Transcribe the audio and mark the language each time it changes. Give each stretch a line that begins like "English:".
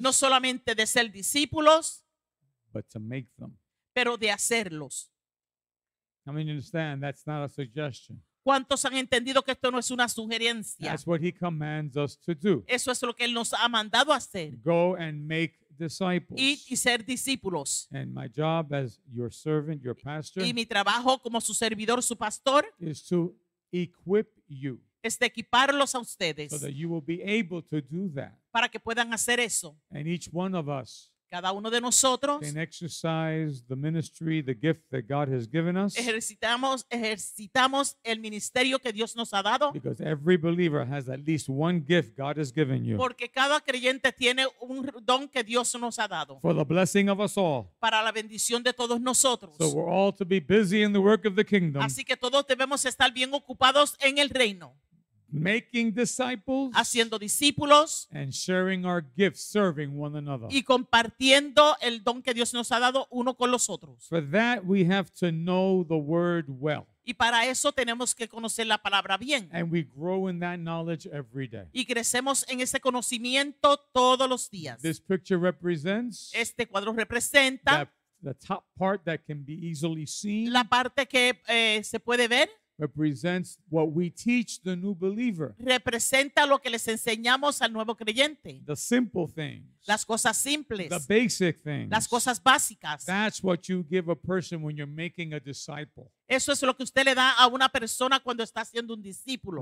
Spanish: no solamente de ser discípulos,
English: but to make them,
Spanish: pero de hacerlos.
English: I mean, understand, that's not a suggestion.
Spanish: ¿Cuántos han entendido que esto no es una sugerencia?
English: That's what he commands us to do.
Spanish: Eso es lo que él nos ha mandado a hacer.
English: Go and make disciples.
Spanish: Ir y ser discípulos.
English: And my job as your servant, your pastor,
Spanish: y mi trabajo como su servidor, su pastor,
English: is to equip you.
Spanish: Es de equiparlos a ustedes.
English: So that you will be able to do that.
Spanish: Para que puedan hacer eso.
English: And each one of us.
Spanish: Cada uno de nosotros.
English: Can exercise the ministry, the gift that God has given us.
Spanish: Ejercitamos el ministerio que Dios nos ha dado.
English: Because every believer has at least one gift God has given you.
Spanish: Porque cada creyente tiene un don que Dios nos ha dado.
English: For the blessing of us all.
Spanish: Para la bendición de todos nosotros.
English: So we're all to be busy in the work of the kingdom.
Spanish: Así que todos debemos estar bien ocupados en el reino.
English: Making disciples,
Spanish: haciendo discípulos,
English: and sharing our gifts, serving one another,
Spanish: y compartiendo el don que Dios nos ha dado uno con los otros.
English: For that, we have to know the word well.
Spanish: Y para eso tenemos que conocer la palabra bien.
English: And we grow in that knowledge every day.
Spanish: Y crecemos en ese conocimiento todos los días.
English: This picture represents.
Spanish: Este cuadro representa.
English: The top part that can be easily seen.
Spanish: La parte que se puede ver.
English: Represents what we teach the new believer.
Spanish: Representa lo que les enseñamos al nuevo creyente.
English: The simple things.
Spanish: Las cosas simples.
English: The basic things.
Spanish: Las cosas básicas.
English: That's what you give a person when you're making a disciple.
Spanish: Eso es lo que usted le da a una persona cuando está siendo un discípulo.